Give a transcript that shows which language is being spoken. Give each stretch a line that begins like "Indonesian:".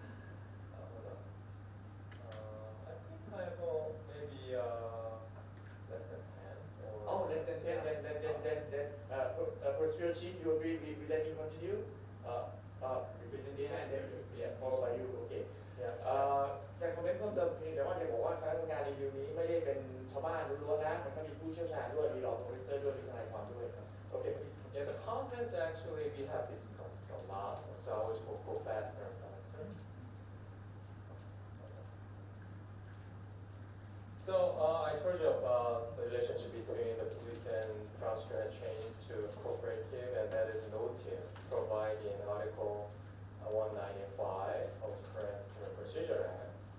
English: I think I have maybe less than 10. Or oh, less than 10. Yeah. Then for strategy, you will be letting continue. Presentation and then followed by you. Okay. Yeah.
Thai: แต่คอมเมนต์เพิ่มเติมเพียงแต่ว่าเดี๋ยวบอกว่าคณะกรรมการรีวิวนี้ไม่ได้เป็นชาวบ้านล้วนๆนะมันก็มีผู้เชี่ยวชาญด้วยมีรองโปรดิวเซอร์ด้วยมีทนายความด้วยครับโอเค
English: Yeah, the contents actually we have discussed a lot, so I always will go faster and faster. So I told you about the relationship between the police and prosecutor training to corporate team, and that is noted provided in Article 195 of the current Criminal Procedure Act.